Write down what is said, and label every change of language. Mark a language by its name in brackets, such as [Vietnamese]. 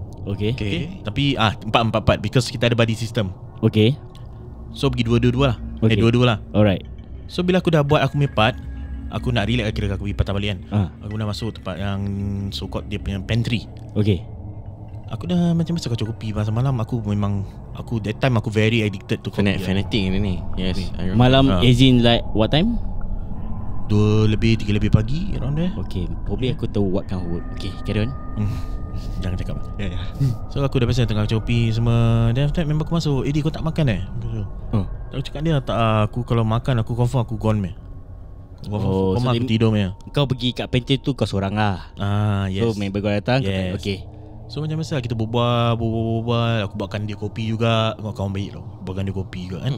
[Malay] Okay. Tapi 4 because kita ada buddy system. Okay. So pergi 2-2 lah. Okay. Dua-dua lah. Alright. So bila aku dah buat aku punya part, aku nak relax lah, kira aku pergi patah balik kan. Aku nak masuk tempat yang so-called dia punya pantry. Okay. Aku dah macam masa kacau kopi masa malam. [English] Aku that time aku very addicted to coffee. Fanatic ni. Yes. Malam as in like what time? [Malay] 2 lebih, 3 lebih pagi [English] around there. Okay, probably [Malay] aku tahu [English] what kind of work. Okay, carry on. [Malay] Jangan cakap. [English] Yeah, yeah. [Malay] So aku dah biasa tengah copy semua. [English] Then after that [Malay] member aku masuk, Eddie kau tak makan eh? Oh. Aku cakap dia tak, aku kalau makan aku confirm aku gone meh. Oh, kau so aku tidur meh. Kau pergi kat pantry tu kau seorang lah. Ah, yes. So member kau datang, yes. Kata, okay. So macam biasa kita berbual. Aku buatkan dia kopi juga. Kau kawan baik tau, buatkan dia kopi juga kan.